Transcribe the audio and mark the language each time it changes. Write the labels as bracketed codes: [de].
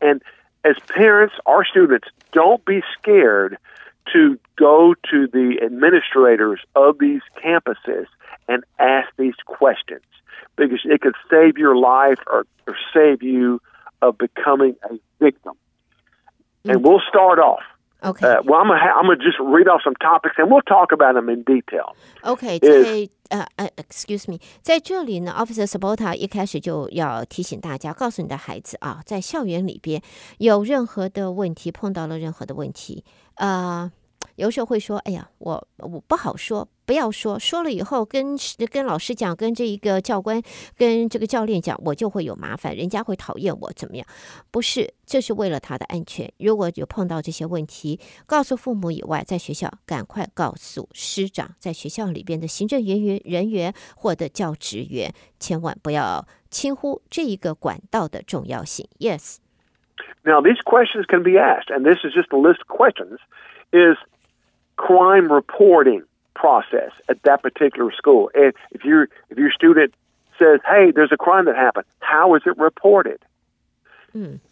[en] And as parents or students, don't be scared to go to the administrators of these campuses and ask these questions, because it could save your life or save you of becoming a victim. And we'll start off. Okay. Well, I'm going to just read off some topics and we'll talk about them in detail. Okay. Excuse me. [zh] 在这里呢 Officer Sabota 一开始就要提醒大家，告诉你的孩子啊，在校园里边有任何的问题，碰到了任何的问题，有时候会说，哎呀，我不好说，不要说，说了以后跟老师讲，跟这一个教官，跟这个教练讲，我就会有麻烦，人家会讨厌我，怎么样？不是，这是为了他的安全。如果有碰到这些问题，告诉父母以外，在学校赶快告诉师长，在学校里边的行政人员或者教职员，千万不要轻忽这一个管道的重要性。 [en] Yes. Now these questions can be asked, and this is just a list of questions. Is crime reporting process at that particular school? And if your student says, hey, there's a crime that happened, how is it reported? Mm.